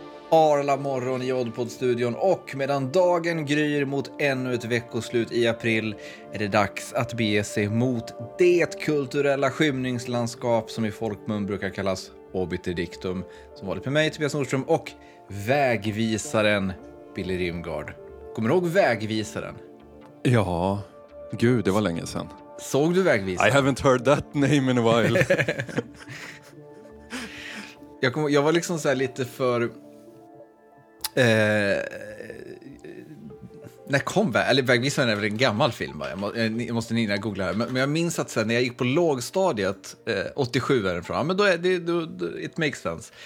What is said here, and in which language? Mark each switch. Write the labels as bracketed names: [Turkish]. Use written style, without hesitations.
[Swedish] alla morgon i Oddpodd-studion, och medan dagen gryr mot ännu ett veckoslut i april är det dags att bege sig mot det kulturella skymningslandskap som i folkmun brukar kallas Obiterdictum, som varit med mig Tobias Nordström och vägvisaren Billy Rimgard. Kommer du ihåg vägvisaren? Ja, gud, det var länge sedan. Såg du vägvisaren? [English] I haven't heard that name in a while. [Swedish] Jag var liksom så här lite för... när kom Vägvisaren? Eller Vägvisaren är väl en gammal film, va? Jag måste nina googla här. Men jag minns att sen när jag gick på lågstadiet, 87 är den från, men då är det, [English] it makes sense.